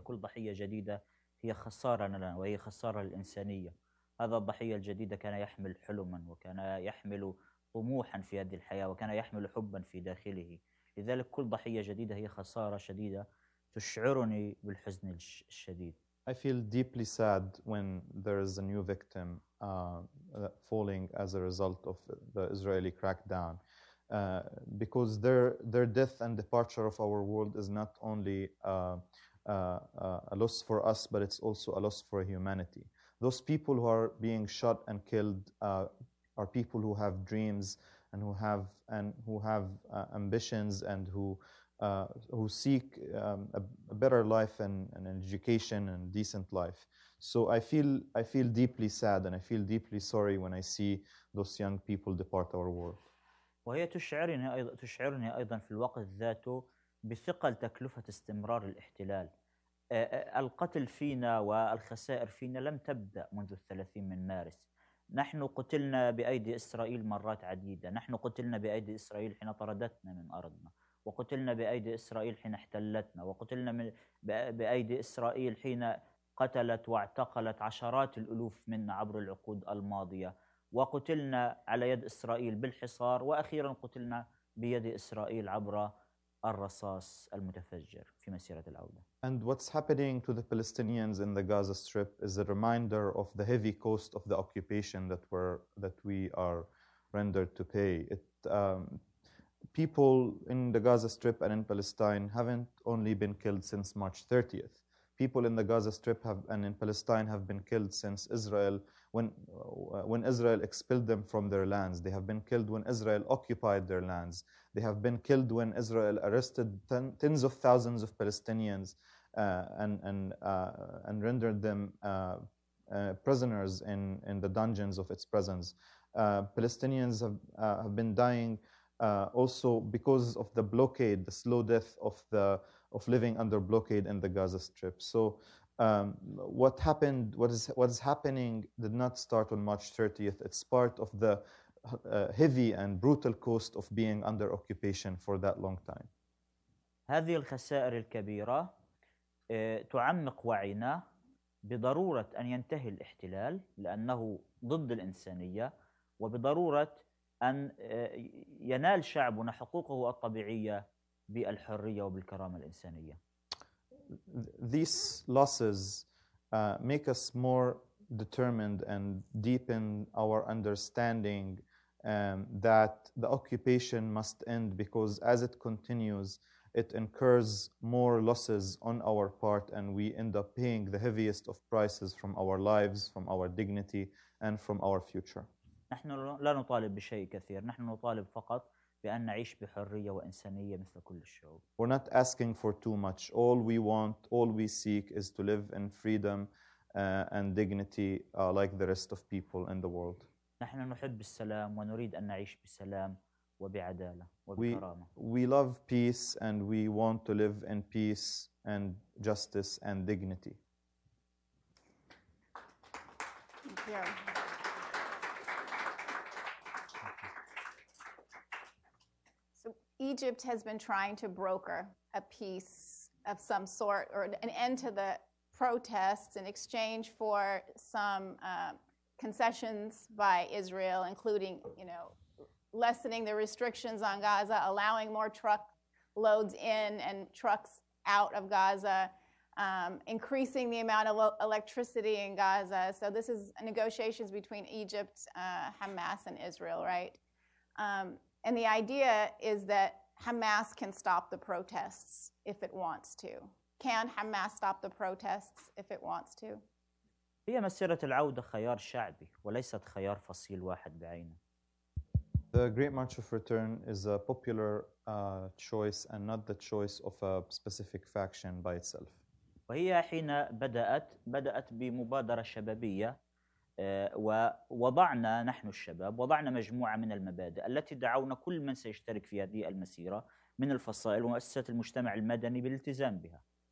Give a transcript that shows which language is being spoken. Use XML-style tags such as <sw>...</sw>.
<ar>كل ضحية جديدة هي خسارة لنا وهي خسارة للإنسانية. هذا الضحية الجديدة كان يحمل حلما وكان يحمل طموحا في هذه الحياة وكان يحمل حبا في داخله. لذلك كل ضحية جديدة هي خسارة شديدة تشعرني بالحزن الشديد.</ar> <en>I feel deeply sad when there is a new victim falling as a result of the Israeli crackdown, because their death and departure of our world is not only a loss for us, but it's also a loss for humanity. Those people who are being shot and killed are people who have dreams and who have ambitions and who seek a better life and an education and decent life. So I feel deeply sad and I feel deeply sorry when I see those young people depart our world.</en> <ar>وهي تشعرني أيضا في الوقت ذاته بثقل تكلفة استمرار الاحتلال. القتل فينا والخسائر فينا لم تبدأ منذ 30 مارس. نحن قتلنا بأيدي إسرائيل مرات عديدة. نحن قتلنا بأيدي إسرائيل حين طردتنا من أرضنا، وقتلنا بأيدي إسرائيل حين احتلتنا، وقتلنا بأيدي إسرائيل حين قتلت واعتقلت عشرات الألوف منا عبر العقود الماضية، وقتلنا على يد إسرائيل بالحصار، وأخيرا قتلنا بيد إسرائيل عبر الرصاص المتفجر في مسيرة العودة.</ar> <en>And what's happening to the Palestinians in the Gaza Strip is a reminder of the heavy cost of the occupation that we are rendered to pay. People in the Gaza Strip and in Palestine haven't only been killed since March 30th. People in the Gaza Strip and in Palestine have been killed since Israel, when Israel expelled them from their lands. They have been killed when Israel occupied their lands. They have been killed when Israel arrested tens of thousands of Palestinians and rendered them prisoners in the dungeons of its prisons. Palestinians have been dying also because of the blockade, the slow death of living under blockade in the Gaza Strip. So what is happening did not start on March 30th. It's part of the heavy and brutal cost of being under occupation for that long time.</en> <ar>هذه الخسائر الكبيرة تعمق وعينا بضرورة أن ينتهي الاحتلال لأنه ضد الإنسانية وبضرورة أن ينال شعبنا حقوقه الطبيعية بالحرية وبالكرامة الإنسانية.</ar> <en>These losses make us more determined and deepen our understanding that the occupation must end because as it continues, it incurs more losses on our part and we end up paying the heaviest of prices from our lives, from our dignity, and from our future.</en> <ar>نحن لا نطالب بشيء كثير. نحن نطالب فقط بأن نعيش بحرية وإنسانية مثل كل الشعوب.</ar> <en>We're not asking for too much. All we want, all we seek is to live in freedom and dignity like the rest of people in the world.</en> <ar>نحن نحب السلام ونريد أن نعيش بسلام وبعدالة وبكرامة.</ar> <en>We love peace and we want to live in peace and justice and dignity. Thank you. Egypt has been trying to broker a peace of some sort or an end to the protests in exchange for some concessions by Israel, including, you know, lessening the restrictions on Gaza, allowing more truck loads in and trucks out of Gaza, increasing the amount of electricity in Gaza. So this is negotiations between Egypt, Hamas, and Israel, right? And the idea is that Hamas can stop the protests if it wants to. Can Hamas stop the protests if it wants to?</en> <ar>هي مسيرة العودة خيار شعبي وليست خيار فصيل واحد بعينه.</ar> <en>The Great March of Return is a popular choice and not the choice of a specific faction by itself.</en> <ar>وهي حين بدأت بمبادرة شبابية ووضعنا نحن الشباب وضعنا مجموعة من المبادئ التي دعونا كل من سيشترك في هذه المسيرة من الفصائل ومؤسسات المجتمع المدني بالالتزام بها.</ar>